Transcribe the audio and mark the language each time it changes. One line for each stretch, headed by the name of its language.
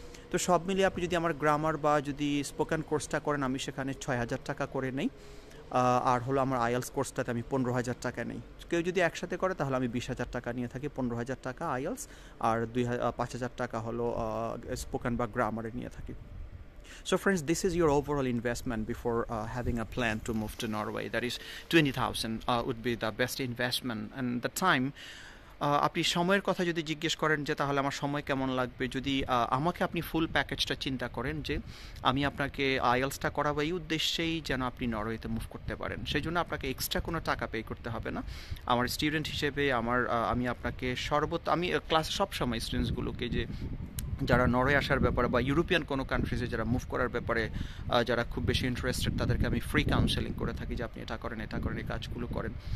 Bangla: তো সব মিলিয়ে আপনি যদি আমার গ্রামার বা যদি স্পোকেন কোর্সটা করেন, আমি সেখানে 6,000 টাকা করে নেই, আর হলো আমার আইএলস কোর্সটাতে আমি 15,000 টাকা নেই. কেউ যদি একসাথে করে তাহলে আমি 20,000 টাকা নিয়ে থাকি, 15,000 টাকা আইএলস আর 5,000 টাকা হলো স্পোকেন বা গ্রামারে নিয়ে থাকি.
English: So friends, this is your overall investment before having a plan to move to Norway. That is 20,000 would be the best investment. And the time,
Bangla: আপনি সময়ের কথা যদি জিজ্ঞেস করেন যে তাহলে আমার সময় কেমন লাগবে, যদি আমাকে আপনি ফুল প্যাকেজটা চিন্তা করেন যে আমি আপনাকে আইএলসটা করাবো এই উদ্দেশ্যেই যেন আপনি নরওয়েতে মুভ করতে পারেন, সেই জন্য আপনাকে এক্সট্রা কোনো টাকা পে করতে হবে না. আমার স্টুডেন্ট হিসেবে আমি আপনাকে আমি ক্লাসে সবসময় স্টুডেন্টসগুলোকে যে যারা নরওয়ে আসার ব্যাপারে বা ইউরোপিয়ান কোনো কান্ট্রিজে যারা মুভ করার ব্যাপারে যারা খুব বেশি ইন্টারেস্টেড, তাদেরকে আমি ফ্রি কাউন্সেলিং করে থাকি যে আপনি এটা করেন, এটা করেন, এই কাজগুলো করেন.